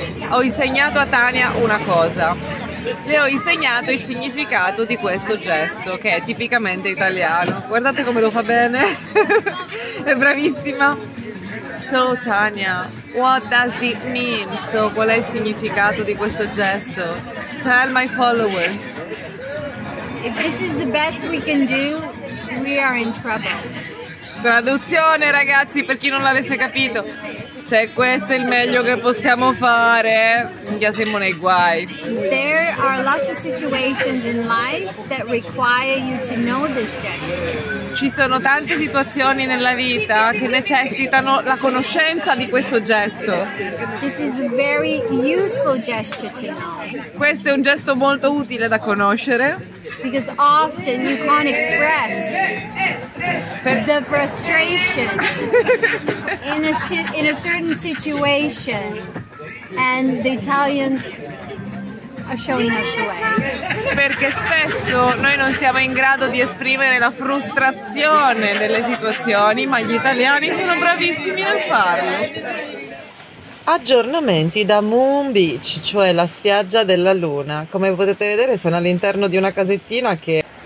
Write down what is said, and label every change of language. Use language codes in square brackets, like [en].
[it] Ho insegnato a Tania una cosa. Le ho insegnato il significato di questo gesto, che è tipicamente italiano. Guardate come lo fa bene. È bravissima. [en] So, Tania, what does it mean? [it] So, qual è il significato di questo gesto? [en] Tell my followers. If this is the best we can do, we are in trouble. [it] Traduzione, ragazzi, per chi non l'avesse capito. Se questo è il meglio che possiamo fare, già siamo nei guai. [en] There are lots of situations in life that require you to know this gesture. [it] Ci sono tante situazioni nella vita che necessitano la conoscenza di questo gesto. [en] This is a very useful gesture to know. [it] Questo è un gesto molto utile da conoscere. [en] Because often you can't express the frustration in a certain situation, and the Italians are showing us the way. [it] Perché spesso noi non siamo in grado di esprimere la frustrazione delle situazioni, ma gli italiani sono bravissimi a farlo. Aggiornamenti da Moon Beach, cioè la spiaggia della luna. Come potete vedere, sono all'interno di una casettina che